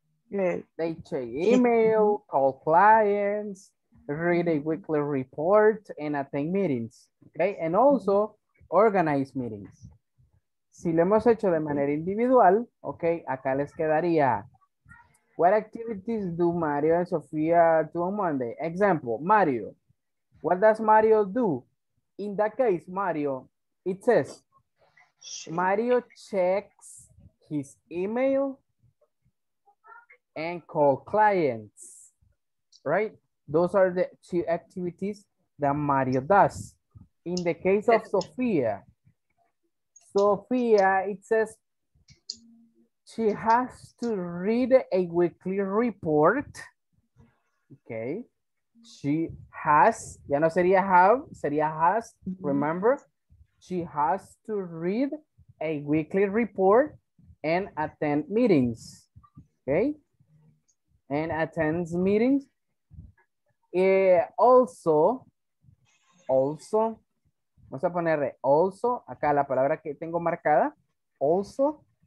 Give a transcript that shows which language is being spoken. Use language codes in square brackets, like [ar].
[en] They check email, call clients, read a weekly report, and attend meetings. Okay, and also organize meetings. [es] Si lo hemos hecho de manera individual, okay, acá les quedaría. [en] What activities do Mario and Sofia do on Monday? Example, Mario. What does Mario do? In that case, Mario, it says, Mario checks his email and call clients, right? Those are the 2 activities that Mario does. In the case of Sofia, Sofia, it says, she has to read a weekly report. Okay. She has, [es] ya no sería have, sería has, [en] remember? She has to read a weekly report and attend meetings. Okay. And attends meetings. [es] Also, vamos a poner also, acá la palabra que tengo marcada, also.